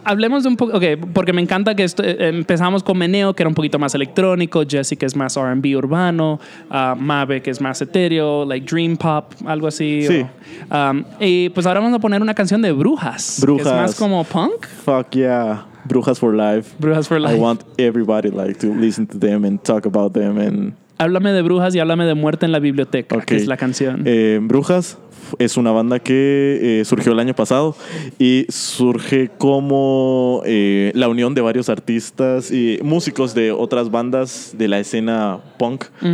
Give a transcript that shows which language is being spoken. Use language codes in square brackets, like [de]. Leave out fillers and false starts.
[es] Hablemos de un poco, okay, porque me encanta que empezamos con Meneo, que era un poquito más electrónico, Jessica es más R&B urbano, Mabe, que es más etéreo, like dream pop, algo así. Sí. Y pues ahora vamos a poner una canción de Brujas. Brujas. Que es más como punk. [en] Fuck yeah. Brujas for life. Brujas for life. I want everybody like to listen to them and talk about them and... [es] Háblame de Brujas y háblame de Muerte en la Biblioteca, [en] okay. [es] Que es la canción. Brujas es una banda que surgió el año pasado y surge como la unión de varios artistas y músicos de otras bandas de la escena punk uh-huh.